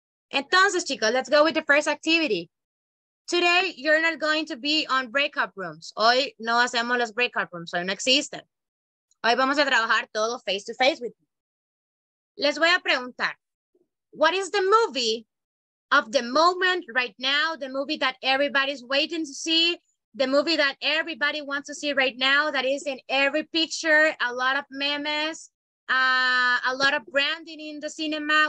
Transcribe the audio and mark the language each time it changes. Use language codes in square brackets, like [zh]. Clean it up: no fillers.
[es] Entonces, chicos, [en] let's go with the first activity. Today, you're not going to be on breakout rooms. [es] Hoy no hacemos los breakout rooms, hoy no existen. Hoy vamos a trabajar todo [en] face to face with you. [es] Les voy a preguntar, [en] what is the movie of the moment right now, the movie that everybody's waiting to see, the movie that everybody wants to see right now, that is in every picture, a lot of memes, a lot of branding in the cinema.